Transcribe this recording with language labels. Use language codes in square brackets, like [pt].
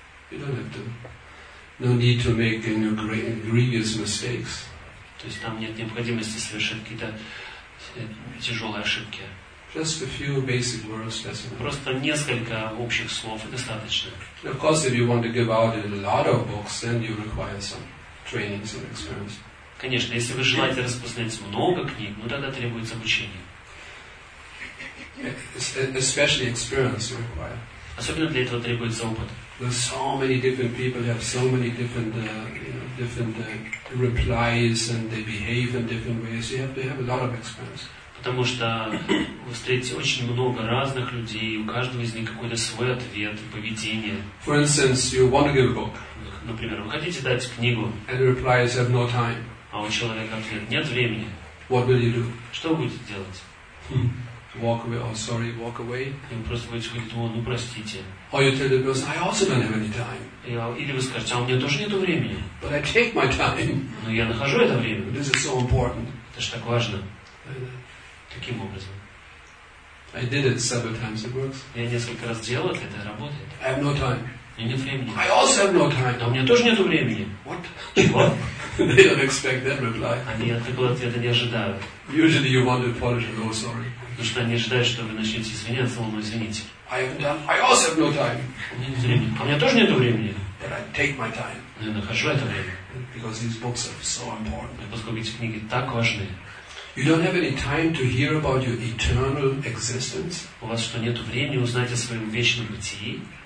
[en] You don't have to. No need to make any grievous mistakes. [ru] То есть там нет необходимости совершать какие-то тяжелые ошибки. [en] Just a few basic words. That's enough. [ru] Просто несколько общих слов достаточно. [en] And of course, if you want to give out a lot of books, then you require some. Training and experience. [ru] Конечно, если вы желаете распространять много книг, ну тогда требуется обучение. [en] especially experience is required. [ru] Особенно для этого требуется опыт. [en] There's so many different people have so many different different replies and they behave in different ways. You have to have a lot of experience. [ru] Потому что вы встретите очень много разных людей, и у каждого из них какой-то свой ответ, поведение. [en] For instance, you want to give a book. [ru] Например, вы хотите дать книгу. [en] And the reply is, have no time. [ru] А у человека ответ, нет времени. [en] What will you do? [ru] Что вы будете делать? [en] Walk away, oh sorry, walk away. [ru] И вы просто будете говорить, ну простите. [en] Or you tell the person, I also don't have any time. [ru] Или вы скажете, а у меня тоже нет времени. [en] But I take my time. [ru] Но я нахожу это время. [en] This is so important. [ru] Это же так важно. Таким образом. [en] I did it several times, it works. [ru] Я несколько раз делал это, это работает. [en] I have no time. [ru] У меня нет времени. [en] I also have no time. [ru] Но у меня тоже нет времени. [en] What? [ru] Чего? [en] They don't expect that reply. [ru] Они такого ответа не ожидают. [en] Usually you want to apologize, oh sorry. [ru] Потому что они ожидают, что вы начнете извиняться, но извините. [en] I also have no time. [ru] У меня нет времени. А у меня тоже нет времени. [en] But I take my time. [ru] Но я нахожу это время. [en] Because these books are so important. [ru] Поскольку эти книги так важны. [en] You don't have any time to hear about your eternal existence. [ru] У вас что, нет времени узнать о своем вечном бытии?